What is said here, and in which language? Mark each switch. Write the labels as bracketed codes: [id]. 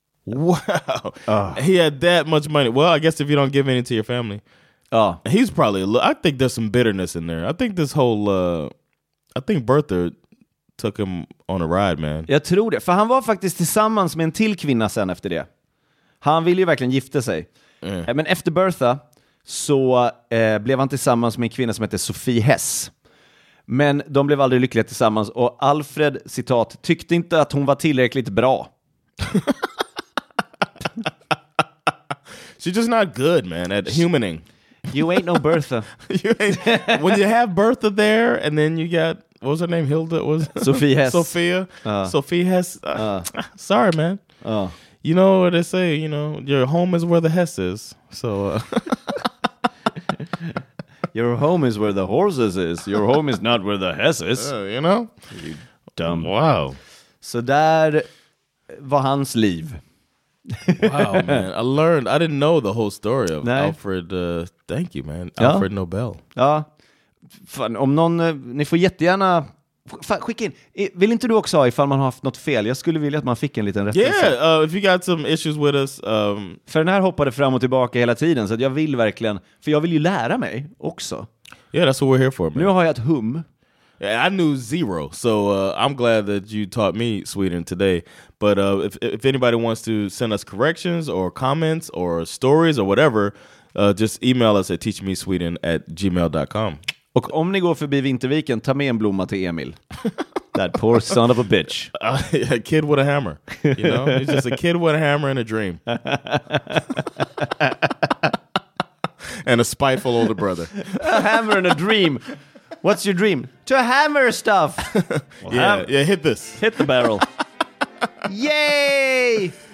[en] Wow, he had that much money. Well, I guess if you don't give any to your family, he's probably. I think there's some bitterness in there. I think this whole, I think Bertha took him on a ride, man. [sv] Jag tror det. För han var faktiskt tillsammans med en till kvinna sen efter det. Han ville ju verkligen gifta sig. Mm. Men efter Bertha så blev han tillsammans med en kvinna som heter Sophie Hess. Men de blev aldrig lyckliga tillsammans. Och Alfred, citat, tyckte inte att hon var tillräckligt bra. [en] She's just not good, man, at humaning. You ain't no Bertha. You ain't, when you have Bertha there and then you got, what was her name, Hilda? Was Sophie Hess. Sophia. Sophie Hess. Sorry, man. You know what they say, you know, your home is where the Hess is. So... Your home is where the horses is. Your home is not where the Hess is. You know? You dumb. Wow. [sv] Så där var hans liv. [en] Wow, man. I learned. I didn't know the whole story of Alfred. Thank you, man. Ja. Alfred Nobel. [sv] Ja. Fan, om någon... ni får jättegärna... skicka in. Vill inte du också ha ifall man har haft något fel? Jag skulle vilja att man fick en liten rättelse. [en] Yeah, if you got some issues with us. [sv] För den här hoppade fram och tillbaka hela tiden. Så att jag vill verkligen... för jag vill ju lära mig också. [en] Yeah, that's what we're here for, man. [sv] Nu har jag ett hum. [en] Yeah, I knew zero. So I'm glad that you taught me Sweden today. But if anybody wants to send us corrections or comments or stories or whatever, just email us at teachmesweden@gmail.com. [sv] Och om ni går förbi Vinterviken, ta med en blomma till Emil. [en] That poor son of a bitch. A kid with a hammer. You know? He's just a kid with a hammer and a dream. And a spiteful older brother. A hammer and a dream. What's your dream? To hammer stuff. Well, yeah, yeah, hit this. Hit the barrel. Yay!